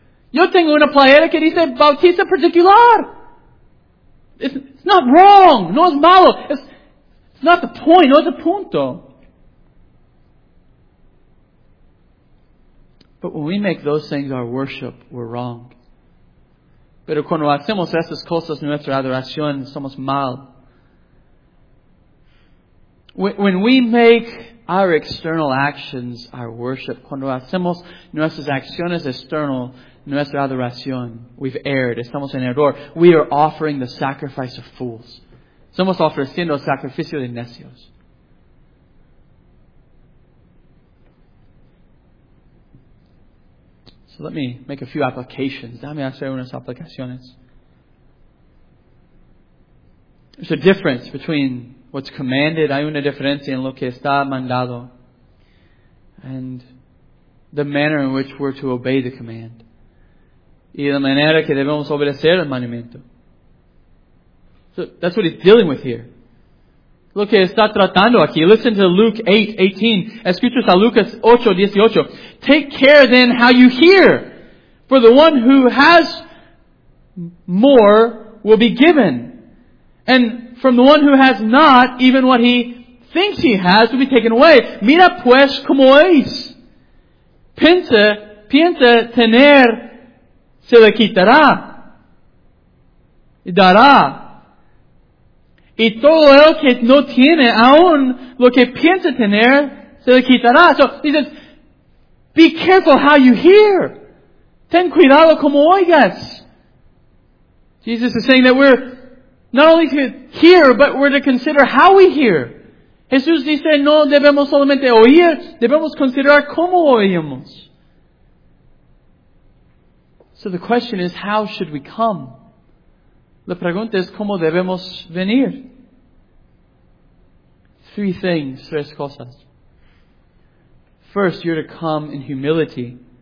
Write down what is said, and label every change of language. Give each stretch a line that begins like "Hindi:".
Spanish: Yo tengo una playera que dice Bautista Particular.
English: It's not wrong.
Spanish: No es malo.
English: It's not the point.
Spanish: No es el punto.
English: But when we make those things our worship, we're wrong.
Spanish: Pero cuando hacemos esas cosas nuestra adoración, somos mal.
English: When we make our external actions, our worship,
Spanish: cuando hacemos nuestras acciones externas, nuestra adoración,
English: we've erred,
Spanish: estamos en error.
English: We are offering the sacrifice of fools.
Spanish: Somos ofreciendo el sacrificio de necios.
English: So let me make a few applications.
Spanish: Dame hacer unas aplicaciones.
English: There's a difference between what's commanded.
Spanish: Hay una diferencia en lo que está mandado.
English: And the manner in which we're to obey the command.
Spanish: Y la manera que debemos obedecer el mandamiento.
English: So that's what he's dealing with here.
Spanish: Lo que está tratando aquí.
English: Listen to Luke 8:18.
Spanish: Escuchas a Lucas 8:18.
English: Take care then how you hear. For the one who has more will be given. And from the one who has not, even what he thinks he has will be taken away.
Spanish: Mira pues como es. Piensa tener, se le quitará. Y dará. Y todo el que no tiene, aún lo que piensa tener, se le quitará.
English: So he says, be careful how you hear.
Spanish: Ten cuidado como oigas.
English: Jesus is saying that we're not only to hear, but we're to consider how we hear.
Spanish: Jesús dice, no debemos solamente oír, debemos considerar cómo oímos.
English: So the question is, how should we come?
Spanish: La pregunta es, ¿cómo debemos venir?
English: 3 things,
Spanish: 3 cosas.
English: First, you're to come in humility.